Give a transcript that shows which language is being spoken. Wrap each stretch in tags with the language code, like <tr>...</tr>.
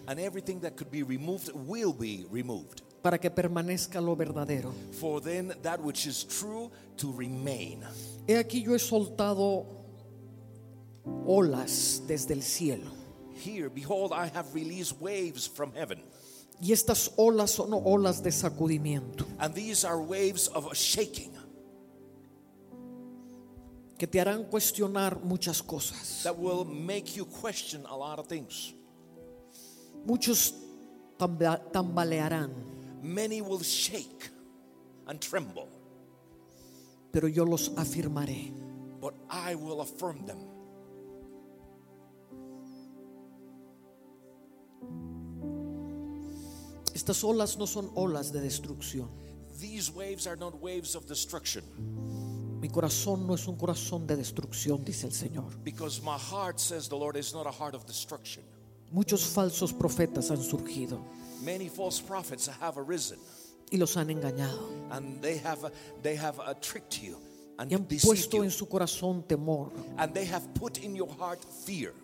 <en>And everything that could be removed will be removed.</en> <es>Para que permanezca lo verdadero.</es> <en>For then that which is true to remain.</en> <es>He aquí yo he soltado olas desde el cielo.</es> <en>Here, behold, I have released waves from heaven.</en> <es>Y estas olas son olas de sacudimiento.</es> <en>And these are waves of shaking.</en> <es>Que te harán cuestionar muchas cosas.</es> <en>That will make you question a lot of things.</en> <es>Muchos tambalearán.</es> <en>Many will shake and tremble.</en> <es>Pero yo los afirmaré.</es> <en>But I will affirm them.</en> <es>Estas olas no son olas de destrucción.</es> <en>These waves are not waves of destruction.</en> <es>Mi corazón no es un corazón de destrucción, dice el Señor.</es> <en>Because my heart, says the Lord, is not a heart of destruction.</en> <es>Muchos falsos profetas han surgido.</es> <en>Many false prophets have arisen.</en> <es>Y los han engañado.</es> <en>And they have tricked you. And</en> <es>y han puesto en su corazón temor.</es> <en>And they have put in your heart fear.</en>